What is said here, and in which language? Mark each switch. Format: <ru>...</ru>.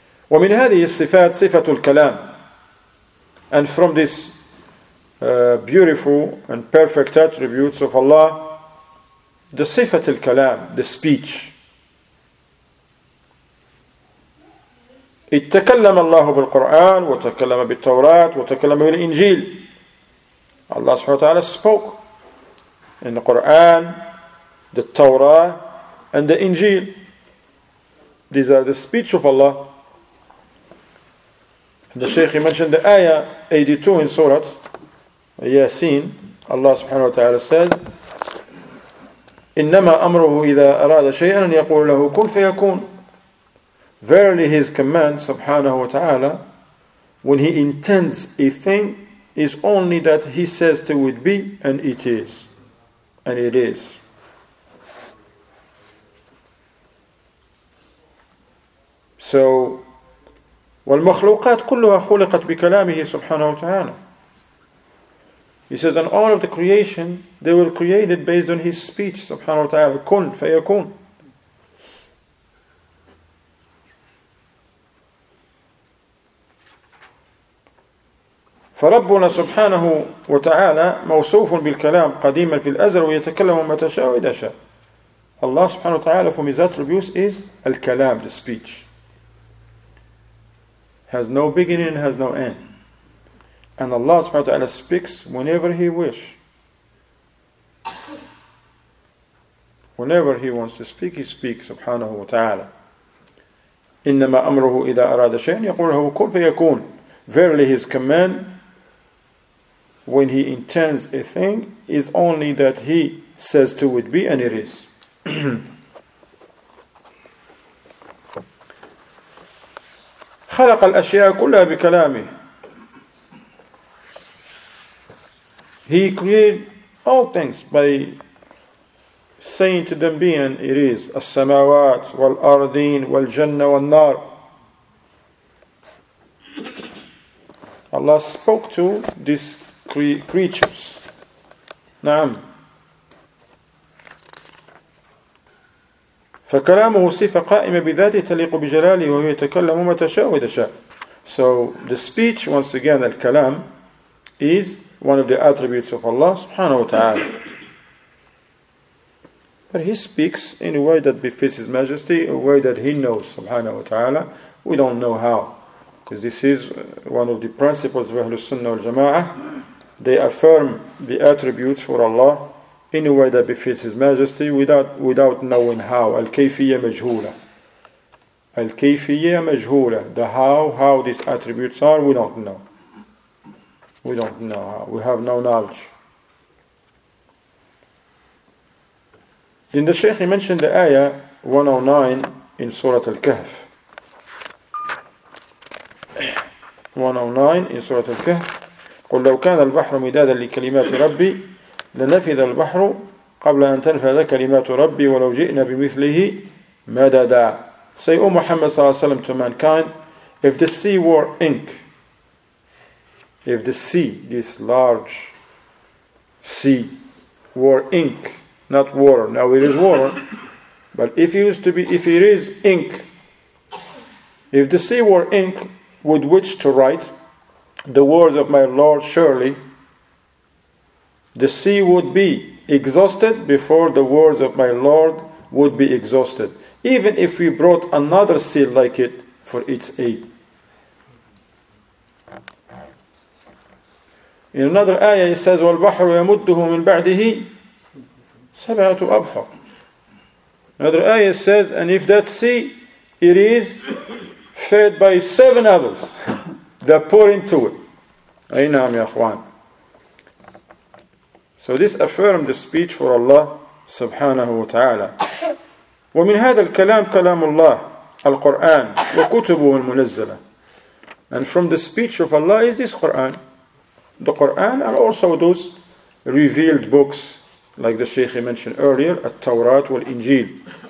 <ar>ومن هذه الصفات صفة الكلام.</ar> <en>And from this beautiful and perfect attributes of Allah, the صفة الكلام, the speech.</en> <ar>اتكلم الله بالقرآن وتكلم بالتوراة وتكلم بالإنجيل.</ar> <en>Allah سبحانه وتعالى spoke in the Quran, the Torah, and the Injil. These are the speech of Allah. And the Shaykh mentioned the ayah 82 in Surah Yasin. Allah subhanahu wa ta'ala said,</en> <ar>إِنَّمَا أَمْرُهُ إِذَا أَرَادَ شَيْئًا أَنْ يَقُولُ لَهُ كُنْ فَيَكُونَ.</ar> <en>Verily his command, subhanahu wa ta'ala, when he intends a thing, is only that he says to it be, and it is. And it is.</en> <ar>So, وَالْمَخْلُوقَاتِ كُلُّهَا خُلِقَتْ بِكَلَامِهِ سُبْحَانَهُ وَتَعَالَى.</ar> <en>He says, and all of the creation, they were created based on his speech, سُبْحَانَهُ وَتَعَالَى.</en> <ar>كُنْ فَيَكُونَ. فربنا سبحانه وتعالى موصوف بالكلام قديما في الأزل ويتكلم متى شاء وإذا شاء.</ar> <en>Allah سبحانه وتعالى from his attributes is الكلام, the speech. Has no beginning, has no end. And Allah سبحانه وتعالى speaks whenever he wish. Whenever he wants to speak, he speaks سبحانه وتعالى.</en> <ar>إنما أمره إذا أراد شيئا يقوله كن فيكون.</ar> <en>Verily his command, when he intends a thing, is only that he says to it be, and it is.</en> <ar>خلق الأشياء كلها بكلامه.</ar> <en>He created all things by saying to them be, and it is.</en> <ar>السماوات والأرضين والجنة والنار.</ar> <en>Allah spoke to this creatures.</en> <ar>نعم. فكلامه صفة قائمة بذاته تليق بجلاله وهو يتكلم متى شاء وإذا شاء.</ar> <en>So the speech, once again, الكلام is one of the attributes of Allah سبحانه وتعالى. But he speaks in a way that befits his majesty, a way that he knows سبحانه وتعالى. We don't know how. Because this is one of the principles of Ahlul Sunnah wal Jama'ah. They affirm the attributes for Allah in a way that befits His Majesty without knowing how.</en> <ar>Al-kayfiyya majhula. Al-kayfiyya majhula.</ar> <en>The how these attributes are, we don't know. We don't know how. We have no knowledge. Then the Shaykh mentioned the ayah 109 in Surah Al-Kahf. 109 in Surah Al-Kahf.</en> <ar>قل لو كان البحر مدادا لكلمات ربي لنفذ البحر قبل أن تنفذ كلمات ربي ولو جئنا بمثله مددا.</ar> <en>Say, O Muhammad صلى الله عليه وسلم, to mankind, if the sea were ink, if the sea, this large sea, were ink, not water, now it is water, but if it used to be, if it is ink, if the sea were ink, with which to write the words of my Lord, surely the sea would be exhausted before the words of my Lord would be exhausted, even if we brought another sea like it for its aid. In another ayah it says,</en> <ar>وَالْبَحْرُ يَمُدُّهُ مِنْ بَعْدِهِ سَبْعَةُ أَبْحَرٍ.</ar> <en>Another ayah says, and if that sea, it is fed by seven others that pour into it.</en> <ar>Aynam ya akhwan.</ar> <en>So this affirmed the speech for Allah subhanahu wa ta'ala.</en> <ar>ومن هذا الكلام كلام الله القرآن وكتبه المنزلة.</ar> <en>And from the speech of Allah is this Quran. The Quran and also those revealed books like the Shaykh mentioned earlier, At-Tawrat wal-Injil.</en>